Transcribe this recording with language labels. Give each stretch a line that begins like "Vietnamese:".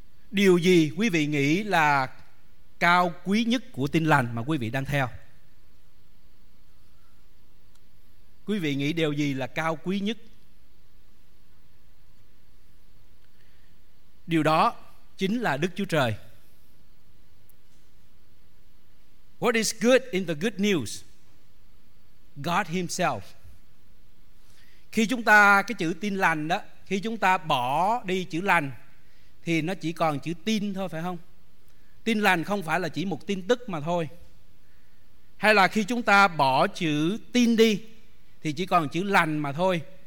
Vietnamese: điều gì quý vị nghĩ là cao quý nhất của Tin Lành mà quý vị đang theo? Quý vị nghĩ điều gì là cao quý nhất? Điều đó chính là Đức Chúa Trời.
English: What is good in the good news? God himself.
Vietnamese: Khi chúng ta cái chữ tin lành đó, khi chúng ta bỏ đi chữ lành thì nó chỉ còn chữ tin thôi, phải không? Tin lành không phải là chỉ một tin tức mà thôi. Hay là khi chúng ta bỏ chữ tin đi thì chỉ còn chữ lành mà thôi.